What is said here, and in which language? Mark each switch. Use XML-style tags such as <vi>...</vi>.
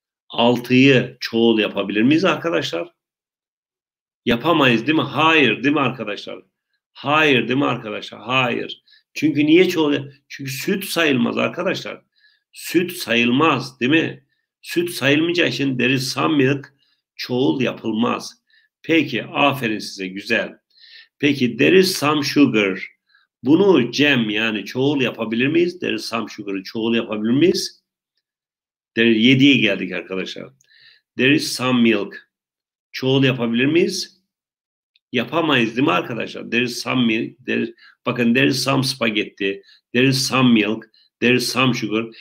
<tr>6'yı çoğul yapabilir miyiz arkadaşlar? Yapamayız değil mi? Hayır değil mi arkadaşlar? Hayır değil mi arkadaşlar? Hayır. Çünkü niye çoğalıyor? Çünkü süt sayılmaz arkadaşlar. Süt sayılmaz değil mi? Süt sayılmayacağı için</tr> <en>there is some milk,</en> <tr>çoğul yapılmaz. Peki, aferin size, güzel. Peki,</tr> <en>there is some sugar.</en> <tr>Bunu cem yani çoğul yapabilir miyiz?</tr> <en>There is some sugar'ı</en> <tr>çoğul yapabilir miyiz? Yediye geldik arkadaşlar.</tr> <en>There is some milk.</en> <tr>Çoğul yapabilir miyiz? Yapamayız değil mi arkadaşlar?</tr> <en>There is some milk.</en> <tr>Bakın,</tr> <en>there is some spaghetti. There is some milk. There is some sugar.</en>